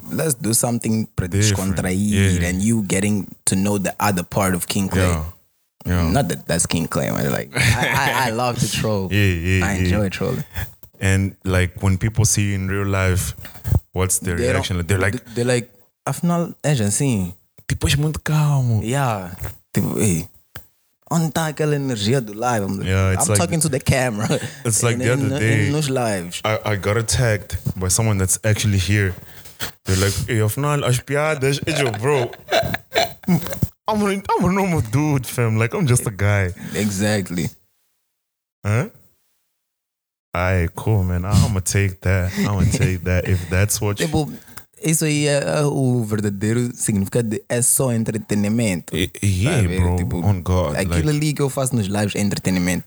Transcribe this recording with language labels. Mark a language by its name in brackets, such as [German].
[English] Let's do something pretty contrived, yeah. And you getting to know the other part of King Clay. Yeah. Yeah. Not that that's King Clay, man. Like I love to troll. I enjoy trolling. And like when people see you in real life, what's their reaction? They're like, [Portuguese] afinal, agent, sim. Tipo, és muito calmo. [English] Yeah. [Portuguese] Tipo, hey, onde está aquela energia do live? [English] I'm talking to the camera. It's like the other day. In those lives. I got attacked by someone that's actually here. They're like, hey, [Portuguese] afinal, as piadas, [English] bro. I'm a normal dude, fam. Like, I'm just a guy. Exactly. Huh? All right, cool, man. I'm going to take that if that's what [Portuguese] tipo, [English] you... [Portuguese] Isso aí é o verdadeiro significado de é só entretenimento. [English] Yeah, [Portuguese] sabe? [English] Bro. [Portuguese] Tipo, [English] on God. [Portuguese] Aquilo ali que eu faço nos lives é entretenimento.